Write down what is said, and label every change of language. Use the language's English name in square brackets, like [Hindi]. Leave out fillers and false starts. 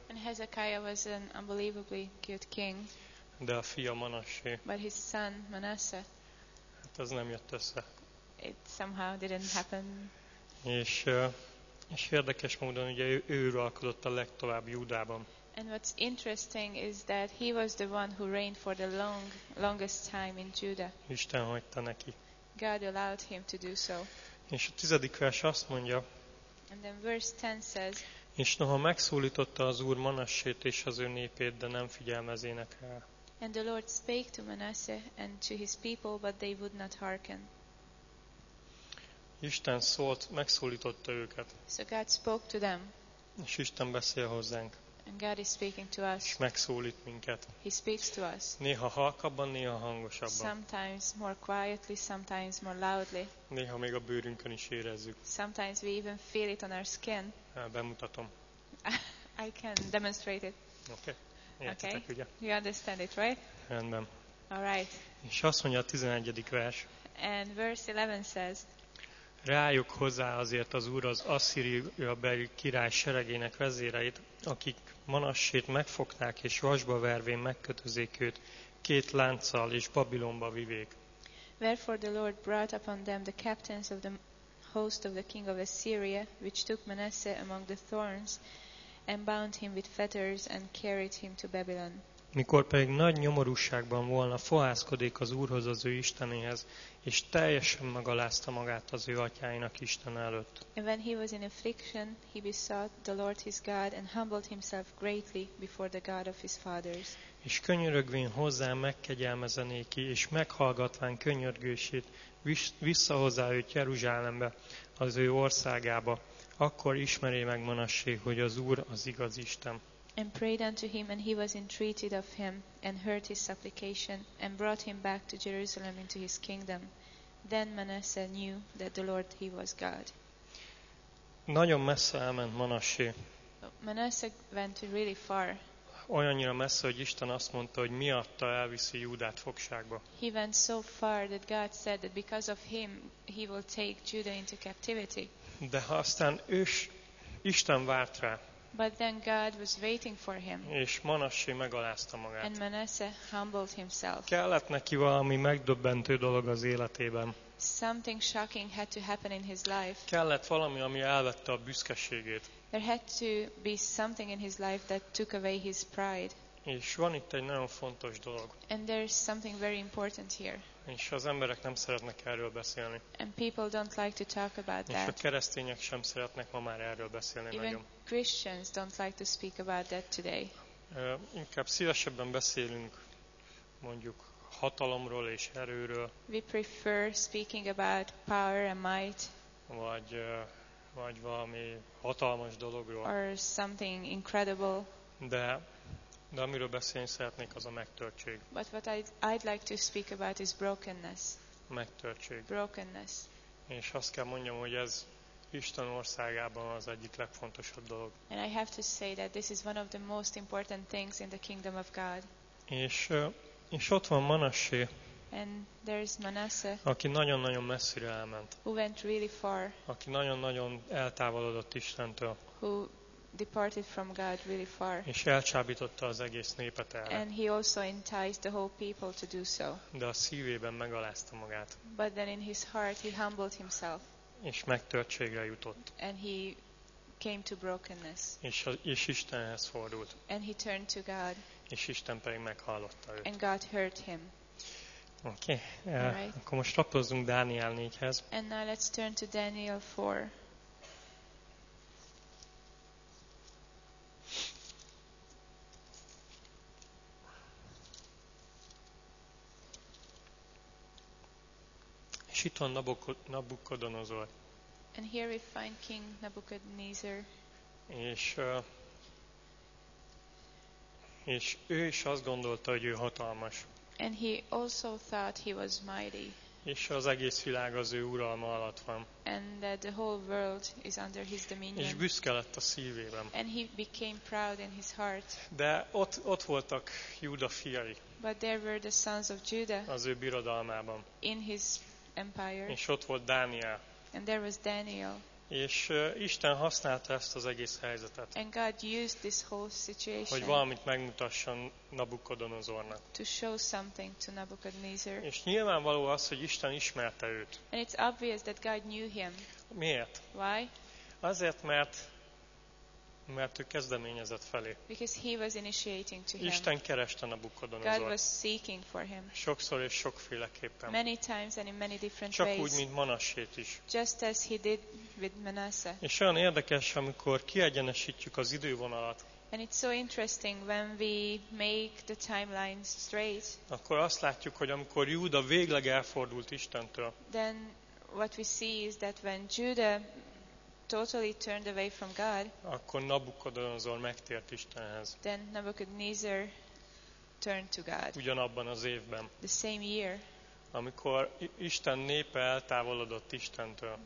[English] And Hezekiah was an unbelievably good king. [Hungarian] De a fia Manassé. [English] But his son Manasseh. [Hungarian] Hát az nem jött össze. [English] It somehow didn't happen. [Hungarian] És érdekes módon, ugye ő uralkodott a legtovább Júdában. [English] And what's interesting is that he was the one who reigned for the longest time in Judah. [Hungarian] Isten hagyta neki. [English] God allowed him to do so. [Hungarian] És a 10. vers azt mondja. [English] And then verse 10 says. [Hungarian] És noha megszólította az Úr Manassét és az ő népét, de nem figyelmezének rá. [English] And the Lord spake to Manasseh and to his people, but they would not hearken. [Hungarian] Isten szólt, megszólította őket. [English] So God spoke to them. [Hungarian] És Isten beszél hozzánk. [English] And God is speaking to us. [Hungarian] És megszólít minket. [English] He speaks to us. [Hungarian] Néha halkabban, néha hangosabban. [English] Sometimes more quietly, sometimes more loudly. [Hungarian] Néha még a bőrünkön is érezzük. [English] Sometimes we even feel it on our skin. [Hungarian] Bemutatom. [English] I can demonstrate it. [Hungarian] Okay. Értetek, ugye? [English] You understand it, right? [Hungarian] Rendben. [English] All right. [Hungarian] És azt mondja a 11. vers. [English] And verse 11 says. [Hungarian] Rájuk hozzá azért az Úr az asszíriabeli király seregének vezéreit, akik Manassét megfogták és vasba vervén megkötözék őt két lánccal és Babilonba vivék. [English] Wherefore the Lord brought upon them the captains of the host of the king of Assyria, which took Manasseh among the thorns, and bound him with fetters, and carried him to Babylon. [Hungarian] Mikor pedig nagy nyomorúságban volna, fohászkodik az Úrhoz, az ő Istenéhez, és teljesen megalázta magát az ő atyáinak Isten előtt. [English] And when he was in affliction, he besought the Lord his God, and humbled himself greatly before the God of his fathers. [Hungarian] És könyörögvén hozzá megkegyelmezze néki, és meghallgatván könyörgését, visszahozzá őt Jeruzsálembe, az ő országába. Akkor ismeri meg Manassé, hogy az Úr az igaz Isten. [English] And prayed unto him, and he was entreated of him, and heard his supplication, and brought him back to Jerusalem into his kingdom. Then Manasseh knew that the Lord, he was God. [Hungarian] Nagyon messze elment Manassé. [English] Manasseh went really far. [Hungarian] Olyannyira messze, hogy Isten azt mondta, hogy miatta elviszi Júdát fogságba. [English] He went so far that God said that because of him, he will take Judah into captivity. [Hungarian] De aztán Isten várt rá. [English] But then God was waiting for him. [Hungarian] És Manassé megalázta magát. [English] And Manasseh humbled himself. [Hungarian] Kellett neki valami megdöbbentő dolog az életében. [English] Something shocking had to happen in his life. [Hungarian] Kellett valami, ami elvette a büszkeségét. [English] There had to be something in his life that took away his pride. [Hungarian] És van itt egy nagyon fontos dolog. [English] And there is something very important here. [Hungarian] És az emberek nem szeretnek erről beszélni. [English] And people don't like to talk about that. [Hungarian] És a keresztények sem szeretnek ma már erről beszélni nagyon. [English] Even Christians don't like to speak about that today. [Hungarian] Inkább szívesebben beszélünk, mondjuk hatalomról és erőről. [English] We prefer speaking about power and might. [Hungarian] Vagy valami hatalmas dologról. [English] Or something incredible. [Hungarian] De amiről beszélni szeretnék, az a megtörtség. [English] But what I'd like to speak about is brokenness. [Hungarian] Megtörtség. [English] Brokenness. [Hungarian] És azt kell mondjam, hogy ez Isten országában az egyik legfontosabb dolog. [English] And I have to say that this is one of the most important things in the kingdom of God. [Hungarian] És ott van Manassé. [English] And there is Manasseh. [Hungarian] Aki nagyon-nagyon messzire elment. [English] Who went really far. [Hungarian] Aki nagyon-nagyon eltávolodott Istentől. [English] Who departed from God really far. [Hungarian] És elcsábította az egész népet erre. [English] And he also enticed the whole people to do so. [Hungarian] De a szívében megalázta magát. [English] But then in his heart he humbled himself. [Hungarian] És megtörtségre jutott. [English] And he came to brokenness. [Hungarian] És Istenhez fordult. [English] And he turned to God. [Hungarian] És Isten pedig meghallotta őt. [English] And God heard him. Oké. Okay. [Hungarian] Akkor most lapozzunk Dániel 4-hez. [English] And now let's turn to Daniel 4. [Hungarian] És itt van Nabukodonozor. [English] And here we find King Nebuchadnezzar. [Hungarian] És ő is azt gondolta, hogy ő hatalmas. [English] And he also thought he was mighty. [Hungarian] És az egész világ az ő uralma alatt van. [English] And that the whole world is under his dominion. [Hungarian] És büszke lett a szívében. [English] And he became proud in his heart. [Hungarian] De ott voltak Júda fiai. [English] But there were the sons of Judah. [Hungarian] Az ő birodalmában. [English] In his empire. [Hungarian] És ott volt Dániel. [English] And there was Daniel. [Hungarian] És Isten használta ezt az egész helyzetet. [English] And God used this whole situation. [Hungarian] Hogy valamit megmutasson Nabukodonozornak. [English] To show something to Nabukodonozor. [Hungarian] És nyilvánvaló az, hogy Isten ismerte őt. [English] And it's obvious that God knew him. [Hungarian] Miért? [English] Why? [Hungarian] Azért, mert ő kezdeményezett felé. [English] Because he was initiating to him. [Hungarian] Isten kereste Nabukodonozort. [English] God was seeking for him. [Hungarian] Sokszor és sokféleképpen. [English] Many times and in many different [Hungarian] Csak [English] ways. [Hungarian] Úgy, mint Manassét is. [English] Just as he did with Manasseh. [Hungarian] És olyan érdekes, amikor kiegyenesítjük az idővonalat. [English] And it's so interesting when we make the timeline straight. [Hungarian] Akkor azt látjuk, hogy amikor Júda végleg elfordult Istentől. [English] Then what we see is that when Judah totally turned away from God. [Hungarian] Akkor Nabukodonozor megtért Istenhez. [English] Then Nebuchadnezzar turned to God. [Hungarian] Ugyanabban az évben. [English] The same year. [Hungarian] Amikor Isten népe eltávolodott Istentől.